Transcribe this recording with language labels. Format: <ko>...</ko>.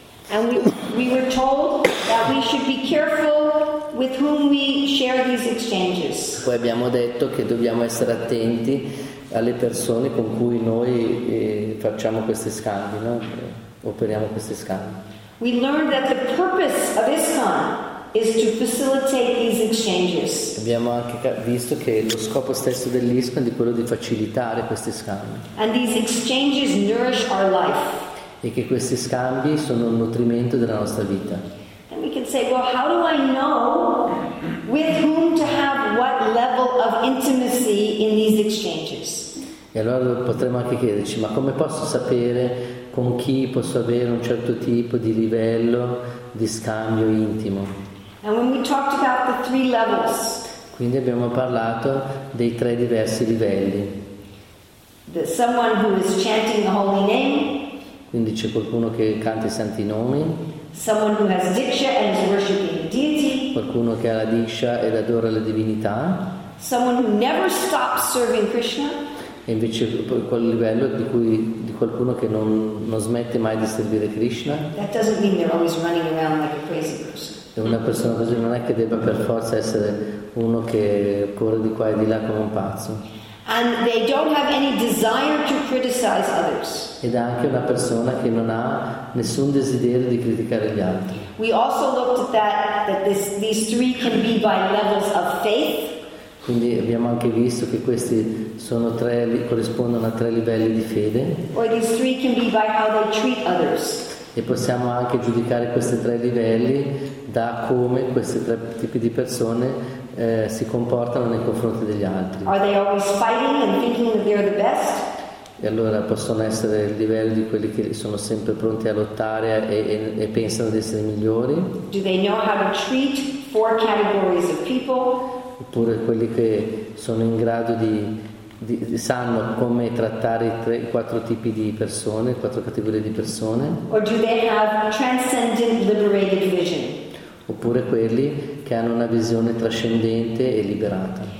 <en>And we were told that we should be careful with whom we share these exchanges.</en> <it>Poi abbiamo detto che dobbiamo essere attenti alle persone con cui noi facciamo questi scambi, no? Operiamo questi scambi.</it> <en>We learned that the purpose of ISKCON is to facilitate these exchanges.</en> <it>Abbiamo anche visto che lo scopo stesso dell'ISKCON è quello di facilitare questi scambi.</it> <en>And these exchanges nourish our life.</en> <it>E che questi scambi sono un nutrimento della nostra vita.</it> <en>And we can say, well, how do I know with whom to have what level of intimacy in these exchanges?</en> <it>E allora potremmo anche chiederci, ma come posso sapere con chi posso avere un certo tipo di livello di scambio intimo?</it> <en>And when we talked about the three levels,</en> <it>quindi abbiamo parlato dei tre diversi livelli.</it> <en>The someone who is chanting the holy name.</en> <it>Quindi c'è qualcuno che canta i santi nomi.</it> <en>Someone who has diksha and is worshiping the deity.</en> <it>Qualcuno che ha la diksha ed adora la divinità.</it> <en>Someone who never stops serving Krishna.</en> <it>E invece quel livello di qualcuno che non smette mai di servire Krishna.</it> <en>That doesn't mean they're always running around like a crazy person.</en> <it>E una persona così non è che debba per forza essere uno che corre di qua e di là come un pazzo.</it> <en>And they don't have any desire to criticize others.</en> <it>Ed è anche una persona che non ha nessun desiderio di criticare gli altri.</it> <en>We also looked at that these three can be by levels of faith.</en> <it>Quindi abbiamo anche visto che questi sono tre corrispondono a tre livelli di fede.</it> <en>Or these three can be by how they treat others.</en> <it>E possiamo anche giudicare questi tre livelli da come questi tre tipi di persone si comportano nei confronti degli altri.</it> <en>Are they always fighting and thinking that they're the best?</en> <it>E allora possono essere il livello di quelli che sono sempre pronti a lottare e pensano di essere migliori.</it> <en>Do they know how to treat four categories of people?</en> <it>Oppure quelli che sono in grado di sanno come trattare quattro tipi di persone, quattro categorie di persone.</it> <en>Or do they have transcendent liberated vision?</en> <it>Oppure quelli che hanno una visione trascendente e liberata.</it>